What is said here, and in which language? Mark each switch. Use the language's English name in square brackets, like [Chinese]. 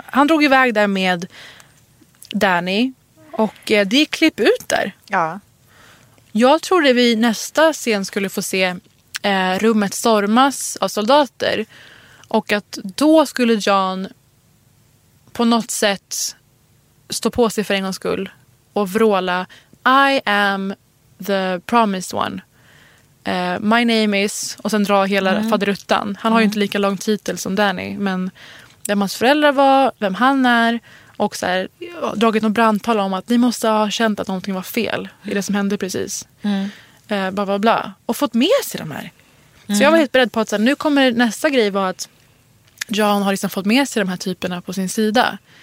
[Swedish] Han drog iväg där med Danny och det gick klipp ut där. Ja. Jag trodde vi nästa scen skulle få se rummet stormas av soldater. Och att då skulle Jon på något sätt stå på sig för en gångs skull. Och vråla, [English] I am the promised one. My name is, [Swedish] och sen dra hela faderuttan. Han har ju inte lika lång titel som Danny. Men vem hans föräldrar var, vem han är. Och så här, dragit någon brandtal om att ni måste ha känt att någonting var fel i det som hände precis. Bla bla bla. Och fått med sig de här. Så jag var helt beredd på att så här, nu kommer nästa grej vara att Jon har liksom fått med sig de här typerna på sin sida.